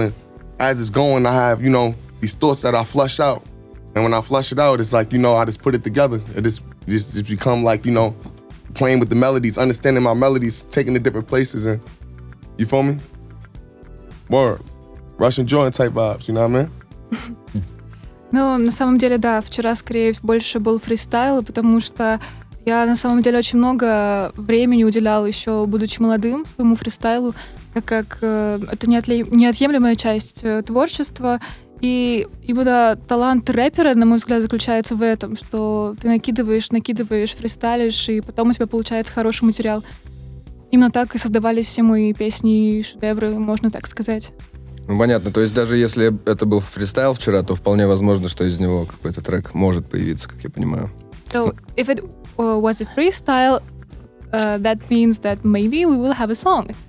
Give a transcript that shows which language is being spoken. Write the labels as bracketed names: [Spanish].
[English] And as it's going, I have, you know, these thoughts that I flush out. And when I flush it out, it's like, you know, I just put it together. It just become like, you know, playing with the melodies, understanding my melodies, taking the different places. And you feel me? More Russian joint type vibes, you know what I mean? [Russian] Ну, на самом деле, да, вчера, скорее, больше был фристайл, потому что... Я на самом деле очень много времени уделяла еще, будучи молодым, своему фристайлу, так как это неотъемлемая часть творчества. И именно талант рэпера, на мой взгляд, заключается в этом, что ты накидываешь, фристайлишь, и потом у тебя получается хороший материал. Именно так и создавались все мои песни и шедевры, можно так сказать. Ну понятно, то есть даже если это был фристайл вчера, то вполне возможно, что из него какой-то трек может появиться, как я понимаю. [English] So if it was a freestyle, that means that maybe we will have a song.